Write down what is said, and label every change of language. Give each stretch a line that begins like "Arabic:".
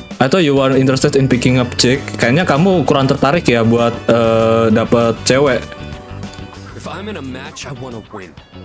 English: I thought you were interested in picking up chick.
Indonesian: Kayaknya kamu kurang tertarik ya buat dapat cewek.
English: If I'm in a match, I wanna win.